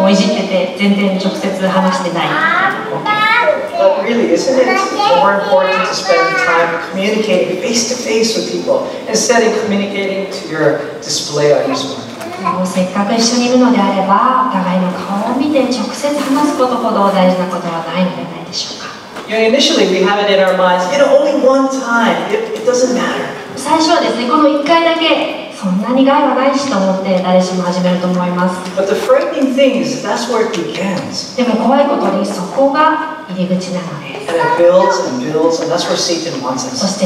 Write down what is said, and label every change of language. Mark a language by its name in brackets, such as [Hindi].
[Japanese] まあよく最近見ますよね、カップルとか友達でカフェとかで一緒に座ってるのに、お互いスマホをもういじってて、全然直接話してない。 [English] But really, isn't it more important to spend time communicating face to face with people instead of communicating to your display on your smartphone? [Japanese] もうせっかく一緒にいるのであれば、お互いの顔を見て直接話すことほど大事なことはないのではないでしょうか。 [English] You know, initially we have it in our minds, you know, only one time, it doesn't matter. [Japanese] 最初はですね、この1回だけそんなに害はないしと思って誰しも始めると思います。 [English] But the frightening thing is that's where it begins. [Japanese] でも怖いことにそこが入り口なのです。 [English] And it builds and builds and that's where Satan wants us.